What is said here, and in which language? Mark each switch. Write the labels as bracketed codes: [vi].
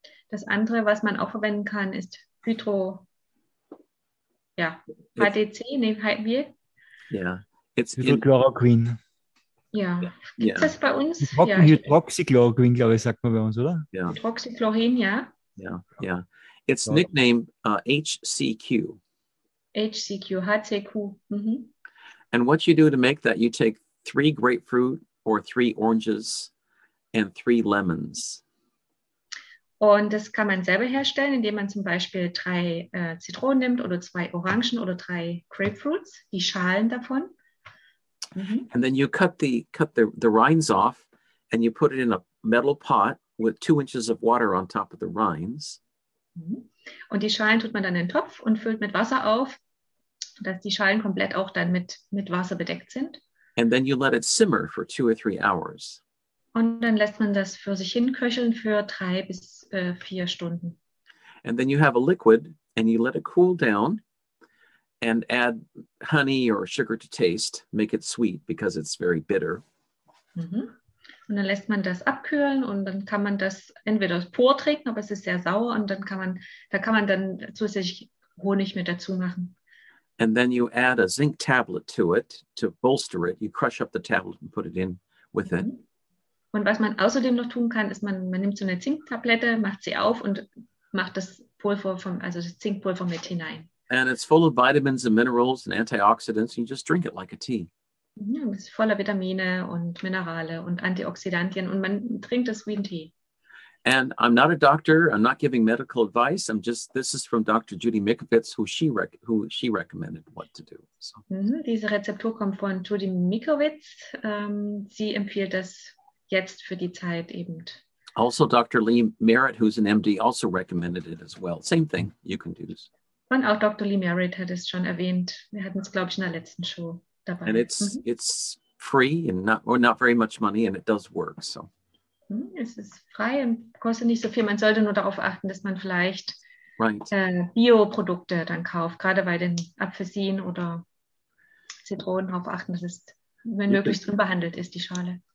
[de] Das andere, was man auch verwenden kann, ist Hydro... Ja, HDC, nehmt wir. Ja, [en] it's Hydrochloroquine. In- [de] Ja, gibt es das bei uns? Hydroxychloroquine, glaube ich, sagt man bei uns, oder? Yeah. Hydroxychlorin, ja. Ja, ja. [en] It's nicknamed HCQ. HCQ, HCQ. Mm-hmm. And what you do to make that, you take 3 grapefruit or 3 oranges and 3 lemons. [de] Und das kann man selber herstellen, indem man zum Beispiel 3 Zitronen nimmt oder 2 Orangen oder 3 Grapefruits, die Schalen davon. Mm-hmm. [en] And then you cut the rinds off and you put it in a metal pot with 2 inches of water on top of the rinds. Mm-hmm. [de] Und die Schalen tut man dann in den Topf und füllt mit Wasser auf, dass die Schalen komplett auch dann mit Wasser bedeckt sind. [en] And then you let it simmer for 2 or 3 hours. [de] Und dann lässt man das für sich hin köcheln für 3 bis 4 Stunden. [en] And then you have a liquid and you let it cool down. And add honey or sugar to taste. Make it sweet because it's very bitter. Mm-hmm. [de] Und dann lässt man das abkühlen und dann kann man das entweder pur trinken, aber es ist sehr sauer und dann kann man dann zusätzlich Honig mit dazu machen. [en] And then you add a zinc tablet to it to bolster it. You crush up the tablet and put it in with it. [de] Und was man außerdem noch tun kann, ist man nimmt so eine Zinktablette, macht sie auf und macht das Pulver vom also das Zinkpulver mit hinein. [en] And it's full of vitamins and minerals and antioxidants. You just drink it like a tea. [de] Ja, es ist voller Vitamine und Minerale und Antioxidantien und man trinkt das wie ein Tee. [en] And I'm not a doctor. I'm not giving medical advice. I'm just, this is from Dr. Judy Mikovits, who she recommended what to do. So. Mm-hmm. [de] Diese Rezeptur kommt von Judy Mikovits. Sie empfiehlt das jetzt für die Zeit eben. Also Dr. [en] Lee Merritt, who's an MD, also recommended it as well. Same thing, you can do this. [de] Und auch Dr. Lee Merritt hat es schon erwähnt. Wir hatten es, glaube ich, in der letzten Show dabei. [en] And it's free and not very much money and it does work. So. [de] Es ist frei und kostet nicht so viel. Man sollte nur darauf achten, dass man vielleicht Bio-Produkte dann kauft, gerade bei den Apfelsinen oder Zitronen darauf achten, dass es, wenn möglichst drin behandelt ist, die Schale.